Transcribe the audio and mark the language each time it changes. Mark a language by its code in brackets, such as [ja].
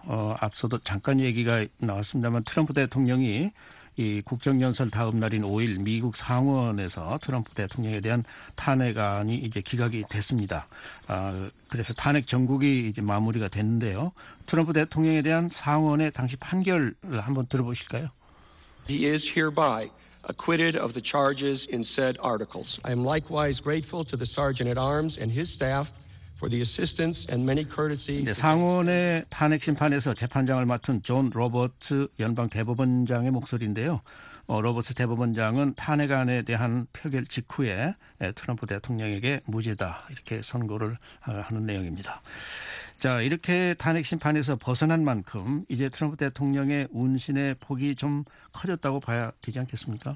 [ko] 앞서도 잠깐 얘기가 나왔습니다만 트럼프 대통령이 이 국정연설 다음 날인 5일 미국 상원에서 트럼프 대통령에 대한 탄핵안이 이제 기각이 됐습니다. 그래서 탄핵 정국이 이제 마무리가 됐는데요. 트럼프 대통령에 대한 상원의 당시 판결을 한번 들어보실까요? [en] He is hereby acquitted of the charges in said articles. I am likewise grateful to the Sergeant at Arms and his staff for the assistance and many courtesies. [ko] 네, 상원의 탄핵 심판에서 재판장을 맡은 존 로버츠 연방 대법원장의 목소리인데요. 로버츠 대법원장은 탄핵안에 대한 표결 직후에 트럼프 대통령에게 무죄다 이렇게 선고를 하는 내용입니다. 자, 이렇게 탄핵 심판에서 벗어난 만큼 이제 트럼프 대통령의 운신의 폭이 좀 커졌다고 봐야 되지 않겠습니까?